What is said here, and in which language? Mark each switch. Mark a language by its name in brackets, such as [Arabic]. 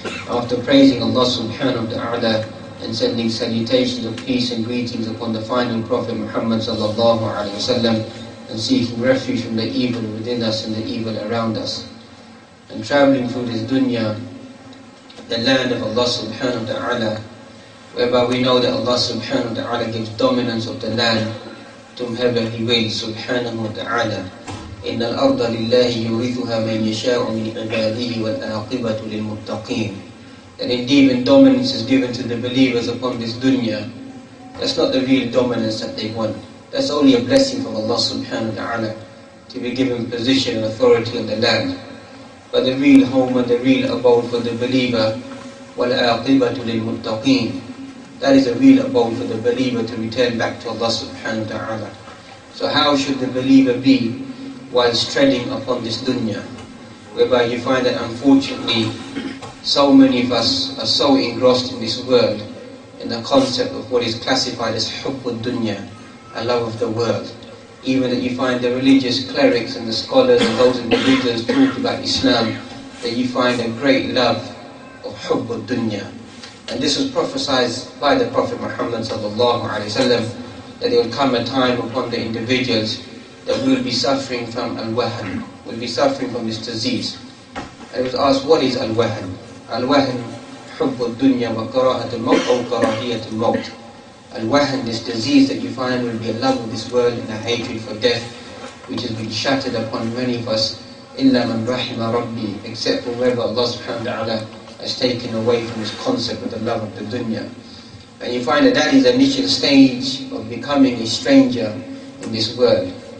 [English] After praising Allah subhanahu wa ta'ala and sending salutations of peace and greetings upon the final Prophet Muhammad sallallahu alayhi wa sallam, and seeking refuge from the evil within us and the evil around us, and traveling through this dunya, the land of Allah subhanahu wa ta'ala, whereby we know that Allah subhanahu wa ta'ala gives dominance of the land to whomever He wills subhanahu wa ta'ala. [Arabic] إن الأرض لله يورثها من يشاء من عباده والآقبة للمتقين. [English] And indeed, when dominance is given to the believers upon this dunya, that's not the real dominance that they want. That's only a blessing from Allah subhanahu wa ta'ala to be given position and authority on the land. But the real home and the real abode for the believer, [Arabic] والآقبة للمتقين, [English] that is a real abode for the believer to return back to Allah subhanahu wa ta'ala. So how should the believer be while treading upon this dunya, whereby you find that unfortunately so many of us are so engrossed in this world, in the concept of what is classified as hubb ad-dunya, a love of the world, even that you find the religious clerics and the scholars and those individuals talk about Islam, that you find a great love of hubb ad-dunya. And this was prophesied by the Prophet Muhammad sallallahu alaihi wasallam, that there will come a time upon the individuals that we will be suffering from al-wahan, will be suffering from this disease. And it was asked, what is al-wahan? [Arabic] Al-wahan, حب الدنيا وكراهة الموت أو كراهية الموت. [English] Al-wahan, this disease that you find, will be a love of this world and a hatred for death, which has been shattered upon many of us. [Arabic] إلا من رحم ربي, [English] except for whoever Allah subhanahu wa ta'ala has taken away from this concept of the love of the dunya. And you find that that is the initial stage of becoming a stranger in this world.